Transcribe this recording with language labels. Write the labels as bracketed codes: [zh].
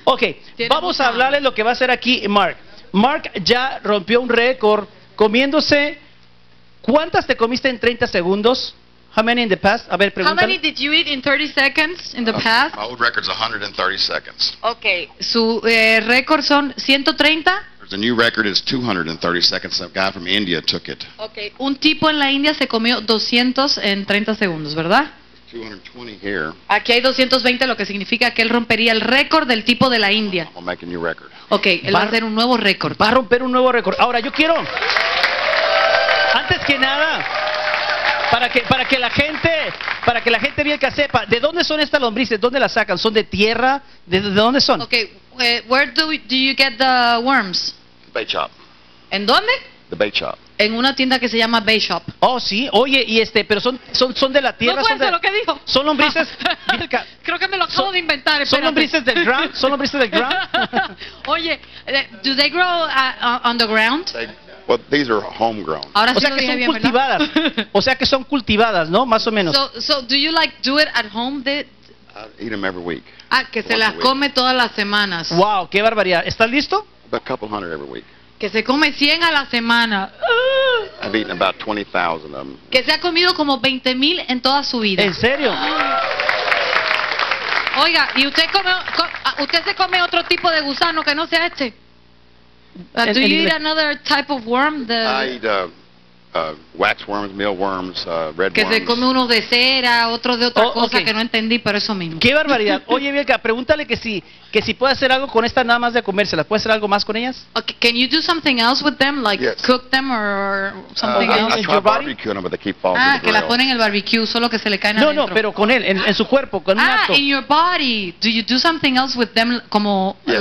[es] Ok, vamos a hablarles lo que va a hacer aquí Mark. Mark ya rompió un récord comiéndose. ¿Cuántas te comiste en 30 segundos? [en] How many in the past? [es] A ver, pregúntale. [en] How many did you eat in 30 seconds in the past? My old record's 130 seconds. [es] Ok, su récord son 130. [en] The new record is 230 seconds. A guy from India took it. [es] Okay, un tipo en la India se comió 200 en 30 segundos, ¿verdad? [en] 220 here. [es] Aquí hay 220, lo que significa que él rompería el récord del tipo de la India. [en] I'll make a new record. [es] Okay, él va a hacer un nuevo récord. Va a romper un nuevo récord. Ahora yo quiero, antes que nada, para que la gente bien que sepa, ¿de dónde son estas lombrices? ¿Dónde las sacan? ¿Son de tierra? ¿De dónde son? Okay. [en] Where do you get the worms? Bait shop. [es] ¿En dónde? [en] The bait shop. [es] En una tienda que se llama Bait Shop. Oh, sí. Oye, y pero son de la tierra. No puede ser de... lo que dijo. Son lombrices. Creo que me lo acabo de inventar. Son lombrices del ground. Son lombrices del ground. [en] Oye, do they grow on the ground? Well, these are homegrown. [es] Ahora sí, o sea que son cultivadas. ¿Verdad? O sea que son cultivadas, ¿no? Más o menos. [en] So do you like do it at home? I eat them every week. [es] Ah, que se las come todas las semanas. Wow, qué barbaridad. ¿Estás listo? [en] About a couple hundred every week. [es] Que se come 100 a la semana. [en] I've eaten about 20,000 of them. [es] Que se ha comido como 20,000 en toda su vida. ¿En serio? Oiga, ¿y usted se come otro tipo de gusano que no sea este? [en] Do you eat another type of worm? I eat wax worms, mealworms, red [es] que [en] worms. [es] Se come uno de cera, otro de otra cosa que no entendí, pero eso mismo. ¡Qué barbaridad! Oye, Vilka, pregúntale que si puede hacer algo con estas nada más de comérselas. ¿Puede hacer algo más con ellas? [en] Okay, can you do something else with them, like yes. cook them or something else? I try barbecue them, but they keep falling. [es] Ah, que la ponen en el barbecue, solo que se le caen adentro. No, pero con él, en su cuerpo, con un acto. [en] Ah, in your body. Do you do something else with them, como, yes.